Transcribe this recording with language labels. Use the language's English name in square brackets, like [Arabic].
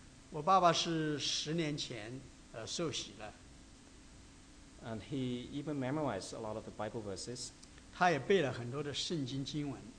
[Chinese] 我爸爸是十年前受洗了。 [English] And he even memorized a lot of the Bible verses. [Chinese] 他也背了很多的圣经经文。